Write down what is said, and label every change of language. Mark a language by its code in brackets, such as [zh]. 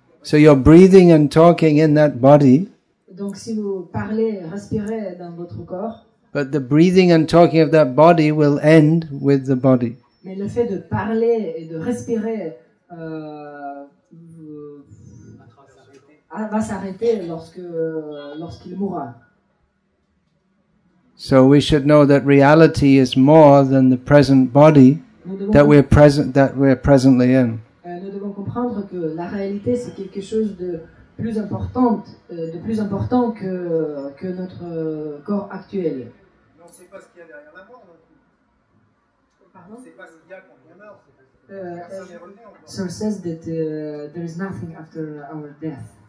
[en] So you're breathing and talking in that body. [fr] Donc si vous parlez, respirez dans votre corps. [en] But the breathing and talking of that body will end with the body. [fr] Mais le fait de parler et de respirer va s'arrêter lorsqu'il mourra. [en] So we should know that reality is more than the present body that we're presently in. [fr] Nous devons comprendre que la réalité c'est quelque chose de plus important que notre corps actuel. Mais on ne sait pas ce qu'il y a derrière la mort. Pardon? C'est pas ce qu'il y a quand on meurt. [en] Sir says that there is nothing after our death.